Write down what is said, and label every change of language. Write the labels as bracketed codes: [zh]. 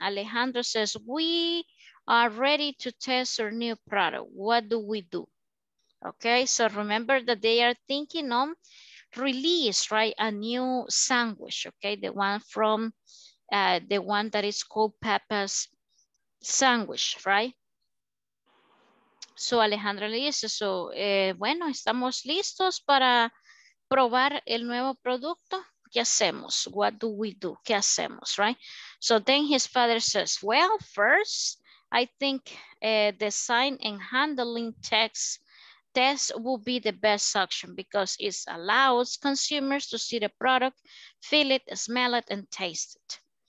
[en] Alejandro says, we are ready to test our new product. What do we do? Okay, so remember that they are thinking on release, right? A new sandwich, okay? The one from, the one that is called Peppa's sandwich, right? [es] So Alejandro le dice, so, bueno, estamos listos para probar el nuevo producto. ¿Qué hacemos? [en] What do we do? [es] ¿Qué hacemos, right? [en] So then his father says, well, first, I think the sign and handling test will be the best option because it allows consumers to see the product, feel it, smell it, and taste it.